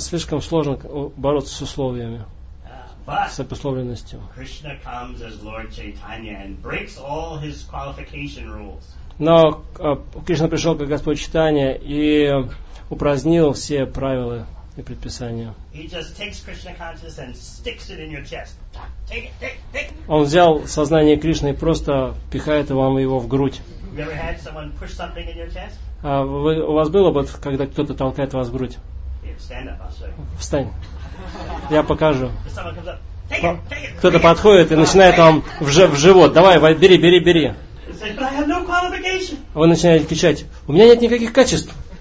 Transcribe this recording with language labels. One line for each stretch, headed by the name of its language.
Russian: Слишком сложно бороться с условиями, с обусловленностью.
English: Krishna comes as Lord Chaitanya and breaks all his qualification rules.
Russian: Но Кришна пришел как Господь Чайтанья и упразднил все правила. И предписания.
English: He just takes Krishna consciousness and sticks it in your chest. Take it.
Russian: Он взял сознание Кришны и просто пихает вам его в грудь.
English: You ever had someone push something in your chest?
Russian: У вас было бы, когда кто-то толкает вас в грудь?
English: Here, stand up, I'll show you.
Russian: Встань. Я покажу.
English: If someone comes up, take it.
Russian: Кто-то подходит и начинает вам в живот. Давай, бери.
English: He said, but I have no qualification.
Russian: Вы начинаете кричать. У меня нет никаких качеств.